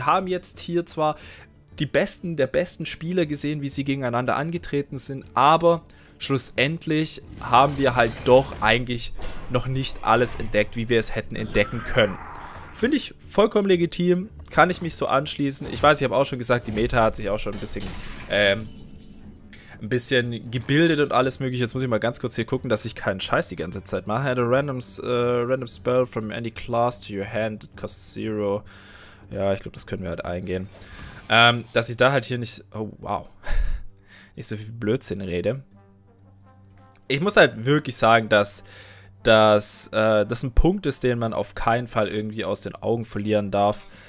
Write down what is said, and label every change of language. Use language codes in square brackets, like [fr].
[de] Wir haben jetzt hier zwar die besten der besten Spieler gesehen, wie sie gegeneinander angetreten sind, aber schlussendlich haben wir halt doch eigentlich noch nicht alles entdeckt, wie wir es hätten entdecken können. Finde ich vollkommen legitim, kann ich mich so anschließen. Ich weiß, ich habe auch schon gesagt, die Meta hat sich auch schon ein bisschen gebildet und alles mögliche. Jetzt muss ich mal ganz kurz hier gucken, dass ich keinen Scheiß die ganze Zeit mache. [en] I had a random spell from any class to your hand, it costs zero. [de] Ja, ich glaube, das können wir halt eingehen. Dass ich da halt hier nicht, oh wow, nicht so viel Blödsinn rede. Ich muss halt wirklich sagen, dass das ein Punkt ist, den man auf keinen Fall irgendwie aus den Augen verlieren darf.